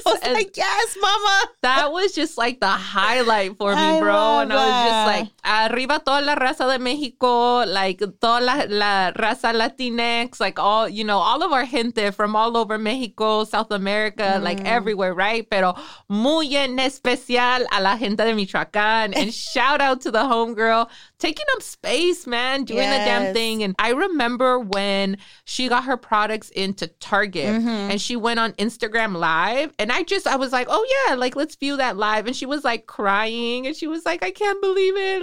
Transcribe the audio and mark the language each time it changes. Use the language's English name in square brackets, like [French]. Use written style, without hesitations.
[English] I was like, yes, mama. That was just like the highlight for me, bro. And I was just like, arriba toda la raza de Mexico, like toda la raza Latinx, like all, you know, all of our gente from all over Mexico, South America, like everywhere, right? [Spanish] Pero muy en especial a la gente de Michoacán. [English] And shout out to the homegirl taking up space, man, doing the damn thing. And I remember when she got her products into Target and she went on Instagram Live. And I was like, oh yeah, like let's view that live. And she was like crying and she was like, I can't believe it.